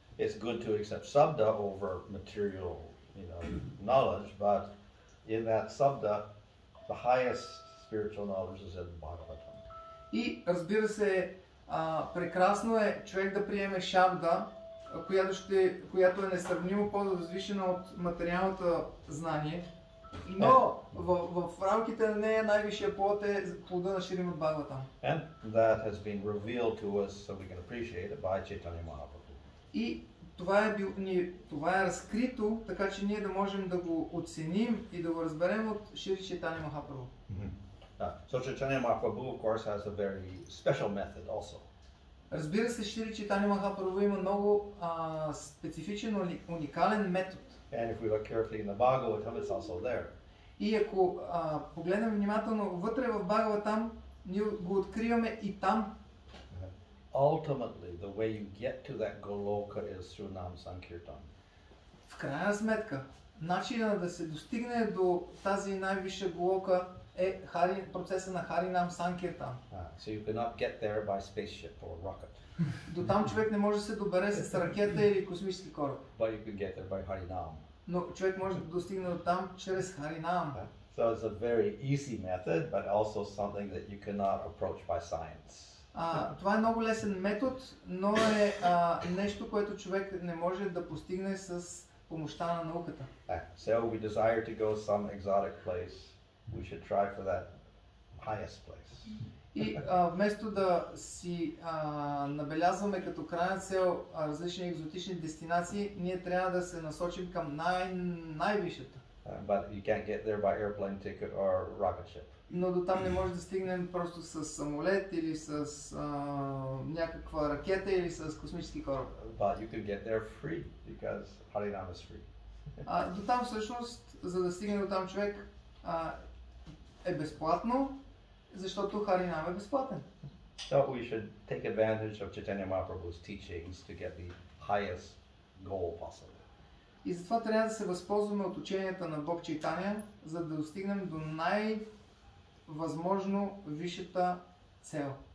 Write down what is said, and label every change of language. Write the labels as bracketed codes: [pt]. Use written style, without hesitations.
[en] It's good to accept sabda over material, you know, knowledge, but in that sabda, the highest spiritual knowledge is in Bhagavatam. [bg] И разбира се, Прекрасно е човек да приеме шабда, която, ще, която е несравнимо по-възвишена от материалното знание, но в рамките на нея най-висшия плод е плода на Шримад Бхагаватам. [en] And that has been revealed to us so we can appreciate it by Chaitanya Mahaprabhu. [bg] И това е бил, ни, това е разкрито, така че ние да можем да го оценим и да го разберем от Шри Чайтанья Махапрабху. [en] So Chaitanya Mahaprabhu of course has a very special method also. [bg] Разбира се, Шри Чайтанья Махапрабху има много специфичен, уникален метод. [en] And if we look carefully in the Bhagavatam, it's also there. [bg] И ако погледнем внимателно вътре в Бхагаватам, ние го откриваме и там. [en] Ultimately, the way you get to that Goloka is through Nam Sankirtan. [bg] В крайна сметка, начинът да се достигне до тази най-висша Голока е хари, процеса на Хари Нам Санкиртан. [en] So you cannot get there by spaceship or rocket. [bg] До там човек не може да се добере с ракета или космически кораб. [en] But you can get there by Hari Nam. [bg] Но човек може да достигне до там чрез Хари Нам. [en] So it's a very easy method, but also something that you cannot approach by science. [bg] Това е много лесен метод, но е нещо, което човек не може да постигне с помощта на науката. [en] So we desire to go some exotic place, we should try for that highest place. [bg] И вместо да си набелязваме като крайна цел различни екзотични дестинации, ние трябва да се насочим към най-висшата. [en] But you can't get there by airplane ticket or rocket ship. [bg] Но до там не може да стигнем просто с самолет или с някаква ракета или с космически кораб. [en] But you can get there free because Harinam is free. [bg] До там всъщност, за да стигне до там човек, е безплатно, защото Харинам е безплатен. [en] So we should take advantage of Chaitanya Mahaprabhu's teachings to get the highest goal possible. [bg] И затова трябва да се възползваме от ученията на Бог Чайтанья, за да достигнем до най- възможно висшата цел.